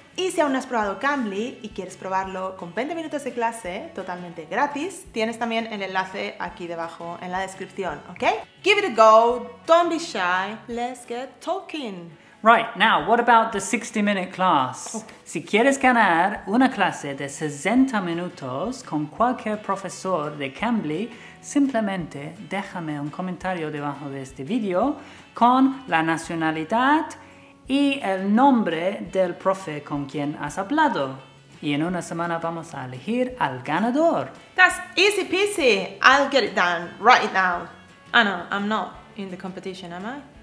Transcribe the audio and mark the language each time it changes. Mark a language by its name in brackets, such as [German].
[Spanish] Y si aún no has probado Cambly y quieres probarlo con 20 minutos de clase totalmente gratis, tienes también el enlace aquí debajo en la descripción, ¿ok? [English] Give it a go, don't be shy, let's get talking. Right, now, what about the 60-minute class? Oh. [Spanish] Si quieres ganar una clase de 60 minutos con cualquier profesor de Cambly, simplemente déjame un comentario debajo de este video con la nacionalidad y el nombre del profe con quien has hablado. Y en una semana vamos a elegir al ganador. [English] That's easy peasy. I'll get it done right now. Oh, no, I'm not in the competition, am I?